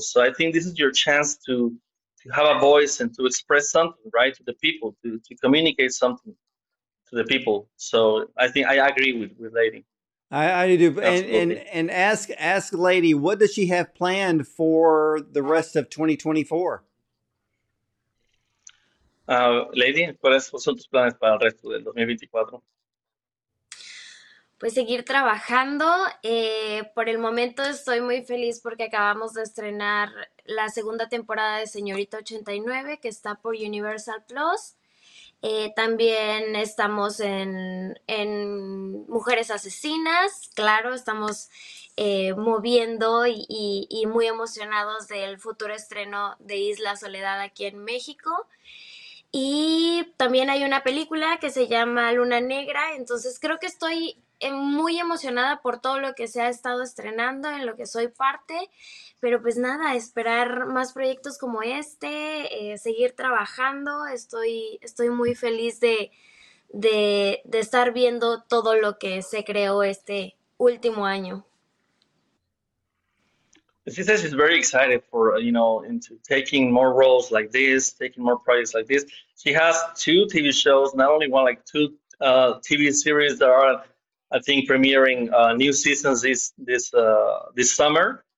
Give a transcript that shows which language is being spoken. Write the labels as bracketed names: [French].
[English] So I think this is your chance to have a voice and to express something, right, to the people, to communicate something to the people. So I think I agree with Lady. I do. Absolutely. And ask Lady, what does she have planned for the rest of 2024? [Spanish] Lady, ¿cuáles son tus planes para el resto del 2024? Pues seguir trabajando. Por el momento estoy muy feliz porque acabamos de estrenar la segunda temporada de Señorita 89, que está por Universal Plus. También estamos en Mujeres Asesinas, claro, estamos moviendo y muy emocionados del futuro estreno de Isla Soledad aquí en México. Y también hay una película que se llama Luna Negra, entonces creo que estoy muy emocionada por todo lo que se ha estado estrenando, en lo que soy parte, pero pues nada, esperar más proyectos como este, seguir trabajando, estoy muy feliz de estar viendo todo lo que se creó este último año. [English] She says she's very excited for, into taking more roles like this, taking more projects like this. She has two TV shows, not only one, like two TV series that are, I think, premiering new seasons this summer.